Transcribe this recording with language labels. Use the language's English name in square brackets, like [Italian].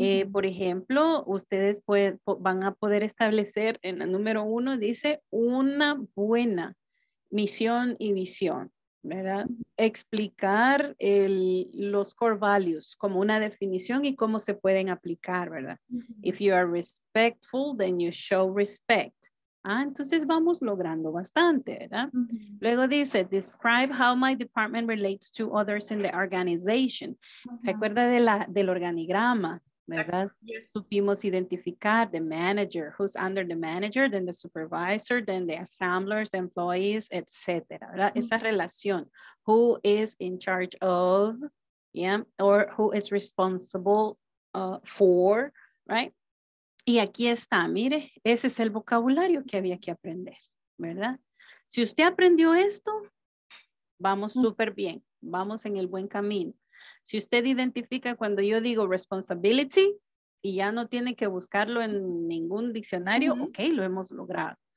[Spanish] Por ejemplo, ustedes van a poder establecer en la número 1, dice una buena misión y visión, ¿verdad? Explicar los core values como una definición y cómo se pueden aplicar, ¿verdad? [English] If you are respectful, then you show respect. [Spanish] Ah, entonces vamos logrando bastante, ¿verdad? Luego dice, [English] describe how my department relates to others in the organization. [Spanish] ¿Se acuerda del organigrama? ¿verdad? Yes. Supimos identificar [English] the manager, who's under the manager, then the supervisor, then the assemblers, the employees, etc. ¿Verdad? Mm-hmm. [Spanish] Esa relación. [English] Who is in charge of, yeah, or who is responsible for, right? [Spanish] Y aquí está, mire, ese es el vocabulario que había que aprender, ¿verdad? Si usted aprendió esto, vamos súper bien, vamos en el buen camino. Si usted identifica cuando yo digo responsibility y ya no tiene que buscarlo en ningún diccionario, ok, lo hemos logrado.